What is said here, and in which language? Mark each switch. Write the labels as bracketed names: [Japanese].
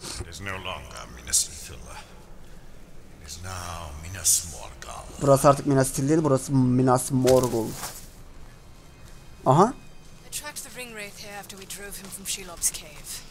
[English] It is no longer Minas Ithil. It is now Minas Morgul. [Turkish] Burası artık Minas Ithil değil, burası Minas Morgul. Aha. [English] I tracked the Ringwraith here after we drove him from Shelob's cave.